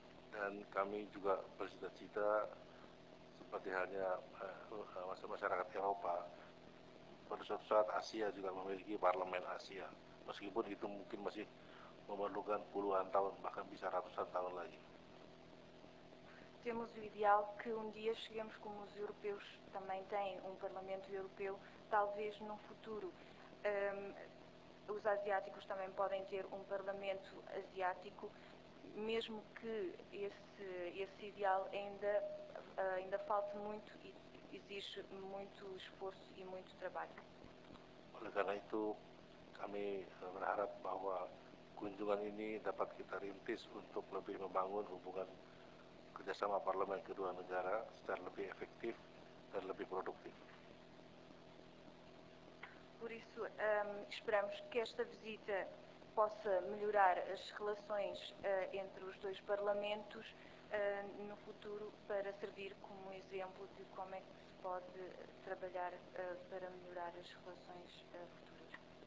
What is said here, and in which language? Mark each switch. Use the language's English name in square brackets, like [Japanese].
[Indonesian] Dan kami juga bercita-cita seperti halnya masyarakat Eropa, pada suatu saat Asia juga memiliki parlemen Asia, meskipun itu mungkin masih memerlukan puluhan tahun, bahkan bisa ratusan tahun lagi. [Portuguese] Temos o ideal que um dia cheguemos como os europeus também têm um parlamento europeu, talvez num futuro. Os asiáticos também podem ter um parlamento asiático, mesmo que esse ideal ainda falte muito e exige muito esforço e muito trabalho. [Indonesian] Oleh karena itu, kami berharap bahwa kunjungan ini dapat kita rintis untuk lebih membangun hubungan kerjasama parlemen kedua negara secara lebih efektif dan lebih produktif. [Portuguese] por isso esperamos que esta visita possa melhorar as relações entre os dois parlamentos no futuro, para servir como exemplo de como é que se pode trabalhar para melhorar as relações futuras.